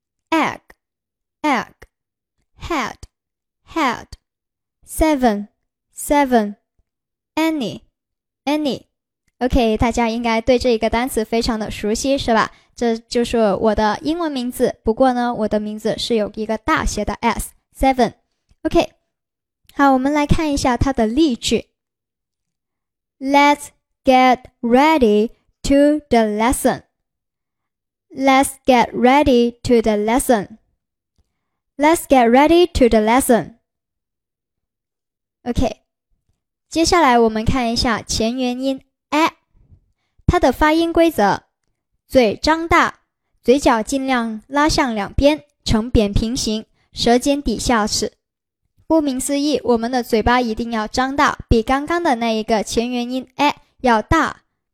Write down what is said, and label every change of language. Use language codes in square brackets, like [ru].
[en] Egg Egg Head Head Seven Seven Any Any。 [zh] OK， 大家应该对这一个单词非常的熟悉是吧？这就是我的英文名字，不过呢，我的名字是有一个大写的 S， Seven。 OK， 好，我们来看一下它的例句。 [en] Let's get ready to the lesson. Let's get ready to the lesson. Let's get ready to the lesson. [zh] OK， 接下来我们看一下前元音哎，它的发音规则，嘴张大，嘴角尽量拉向两边，呈扁平形，舌尖底下齿。顾名思义，我们的嘴巴一定要张大，比刚刚的那一个前元音哎要大。